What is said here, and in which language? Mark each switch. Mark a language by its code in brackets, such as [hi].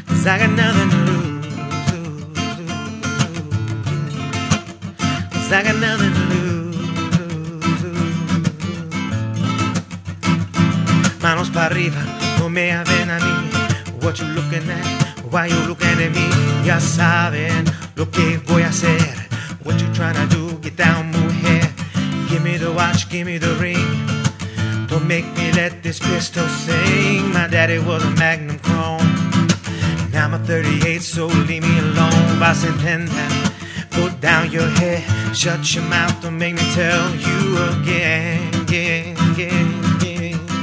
[en] I got nothing to lose, 'cause I got nothing to lose. [es] Manos pa' arriba, no me aven a mí. [en] What you looking at, why you looking at me? [es] Ya saben lo que voy a hacer. [en] What you trying to do, get down, mujer. Give me the watch, give me the ring. Don't make me let this crystal sing. My daddy was a magnum chrome. I'm a 38, so leave me alone. [es] Vas entender. [en] Put down your head, shut your mouth, don't make me tell you again, again, again, again.